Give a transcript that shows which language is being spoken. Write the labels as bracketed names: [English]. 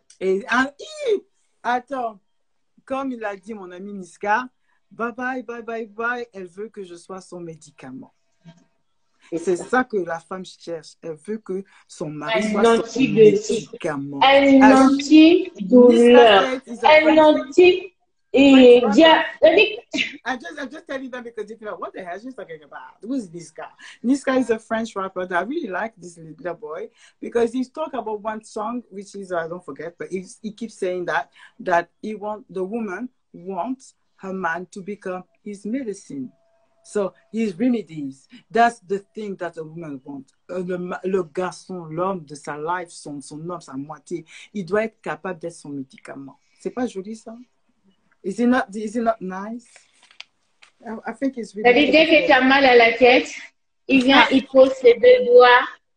[French] Et attends, comme il a dit mon ami Niska, bye bye, bye bye, bye, elle veut que je sois son médicament. Et c'est ça que la femme cherche. Elle veut que son mari soit son médicament. Un anti-douleur. Un anti... [English] I'm just telling them because if you're like, what the hell is she talking about? Who's this guy? Niska is a French rapper that I really like, this little boy, because he's talking about one song, which is, I don't forget, but he keeps saying that he want, the woman wants her man to become his medicine. So his remedies, that's the thing that a woman wants. [French] Le garçon, l'homme de sa life, son homme, sa moitié, il doit être capable d'être son médicament. C'est pas joli ça? [English] Is it not nice? I think it's really [French] Dès que tu as mal à la tête, il vient, il pose ses deux doigts.